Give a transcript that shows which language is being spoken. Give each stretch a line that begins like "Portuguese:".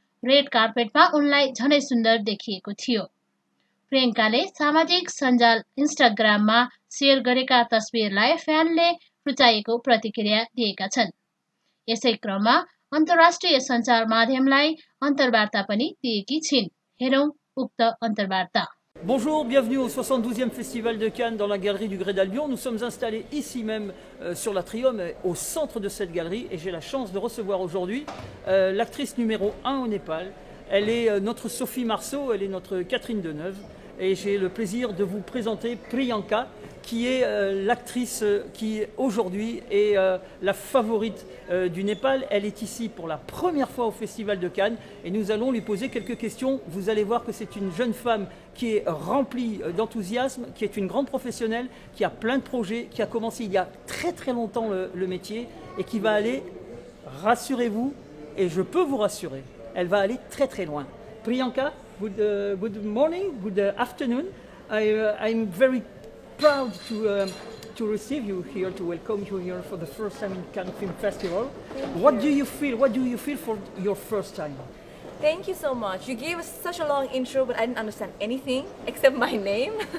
Nepali: Red कार्पेटमा उनलाई झनै सुन्दर देखिएको थियो। प्रियङ्काले सामाजिक सञ्जाल इन्स्टाग्राममा सेयर गरेका तस्विरलाई फ्यानले रुचाएको प्रतिक्रिया दिएका छन्। यसै क्रममा अन्तर्राष्ट्रिय सञ्चार माध्यमलाई अन्तर्वार्ता पनि दिएकी छिन्। हेरौँ उक्त अन्तर्वार्ता।
French: Bonjour, bienvenue au 72e Festival de Cannes dans la galerie du Gré d'Albion. Nous sommes installés ici même sur l'atrium, au centre de cette galerie, et j'ai la chance de recevoir aujourd'hui l'actrice numéro 1 au Népal. Elle est notre Sophie Marceau, elle est notre Catherine Deneuve, et j'ai le plaisir de vous présenter Priyanka, qui est l'actrice qui aujourd'hui est la favorite du Népal. Elle est ici pour la première fois au Festival de Cannes et nous allons lui poser quelques questions. Vous allez voir que c'est une jeune femme qui est remplie d'enthousiasme, qui est une grande professionnelle, qui a plein de projets, qui a commencé il y a très très longtemps le métier et qui va aller, rassurez-vous, et je peux vous rassurer, elle va aller très très loin.
English: Priyanka, good morning, good afternoon. I'm very proud to receive you here, to welcome you here for the first time in Cannes Film Festival. What do you feel for your first time? Thank you so much. You gave us such a long intro, but I didn't understand anything except my name.